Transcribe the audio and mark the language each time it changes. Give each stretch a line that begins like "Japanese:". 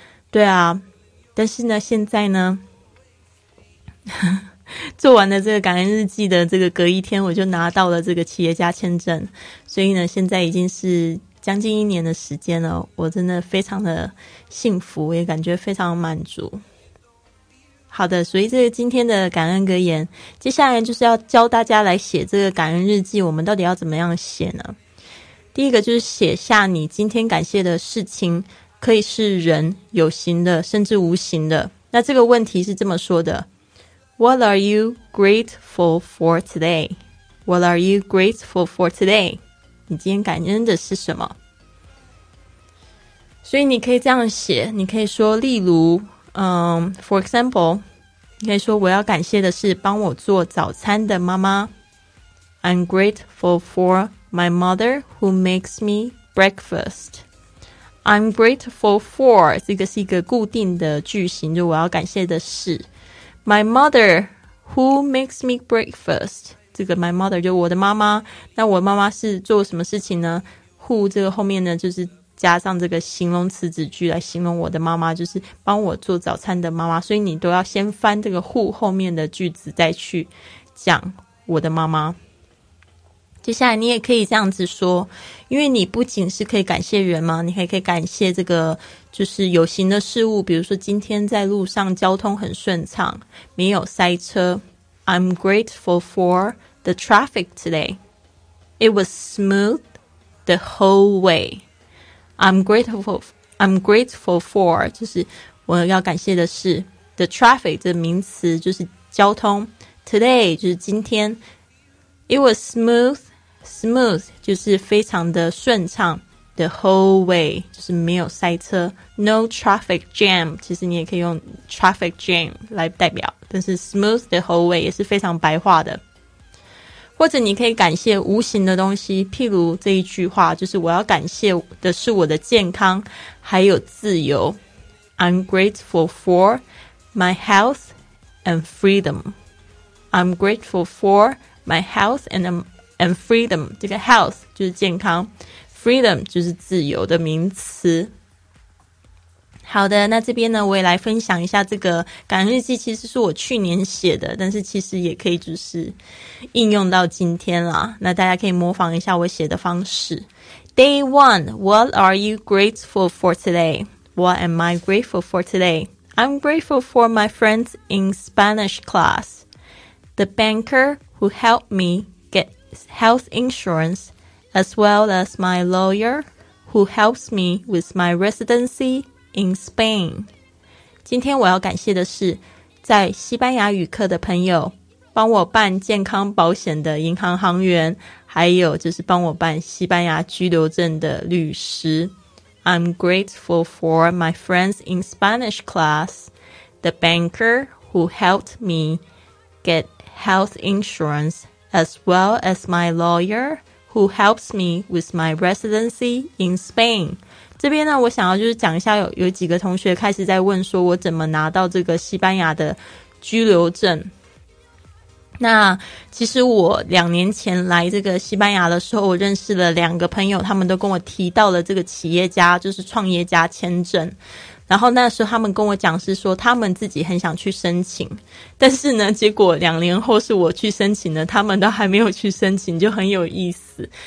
Chinese: 对啊，但是呢现在呢做完了这个感恩日记的这个隔一天我就拿到了这个企业家签证，所以呢现在已经是将近一年的时间了，我真的非常的幸福，也感觉非常满足。好的，所以这个今天的感恩格言，接下来就是要教大家来写这个感恩日记，我们到底要怎么样写呢？第一个就是写下你今天感谢的事情，可以是人，有形的，甚至无形的。那这个问题是这么说的
English: What are you grateful for today? What are you grateful for today?
Chinese: 你今天感恩的是什么？所以你可以这样写，你可以说例如
English: for example，
Chinese: 你可以说我要感谢的是帮我做早餐的妈妈。
English: I'm grateful for my mother who makes me breakfast。 I'm grateful for
Chinese: 这个是一个固定的句型，就我要感谢的是
English: my mother who makes me breakfast。
Chinese: 这个 my mother 就我的妈妈，那我妈妈是做什么事情呢？ who 这个后面呢就是加上这个形容词子句来形容我的妈妈，就是帮我做早餐的妈妈。所以你都要先翻这个 who 后面的句子再去讲我的妈妈。接下来你也可以这样子说，因为你不仅是可以感谢人嘛，你还可以感谢这个就是有形的事物，比如说今天在路上交通很顺畅，没有塞车。
English: I'm grateful for the traffic today. It was smooth the whole way. I'm grateful for
Chinese: 就是我要感谢的是
English: the traffic
Chinese: 这个名词就是交通，
English: today
Chinese: 就是今天。
English: It was smooth
Chinese: 就是非常的顺畅，
English: the whole way
Chinese: 就是没有塞车，
English: no traffic jam，
Chinese: 其实你也可以用 traffic jam 来代表，但是
English: smooth the whole way
Chinese: 也是非常白话的。或者你可以感谢无形的东西，譬如这一句话就是我要感谢的是我的健康还有自由。
English: I'm grateful for my health and freedom. I'm grateful for my health and freedom.
Chinese: 这个 health 就是健康， freedom 就是自由的名词。好的，那这边呢我也来分享一下这个感恩日记，其实是我去年写的，但是其实也可以就是应用到今天啦，那大家可以模仿一下我写的方式。
English: Day 1 What are you grateful for today? What am I grateful for today? I'm grateful for my friends in Spanish class, the banker who helped me get health insurance, as well as my lawyer who helps me with my residencyIn Spain.
Chinese: 今天我要感谢的是在西班牙语课的朋友，帮我办健康保险的银行行员，还有就是帮我办西班牙居留证的律师。
English: I'm grateful for my friends in Spanish class, the banker who helped me get health insurance, as well as my lawyer who helps me with my residency in Spain.
Chinese: 这边呢我想要就是讲一下， 有几个同学开始在问说我怎么拿到这个西班牙的居留证。那其实我两年前来这个西班牙的时候，我认识了两个朋友，他们都跟我提到了这个企业家就是创业家签证，然后那时候他们跟我讲是说他们自己很想去申请，但是呢结果两年后是我去申请的，他们都还没有去申请，就很有意思。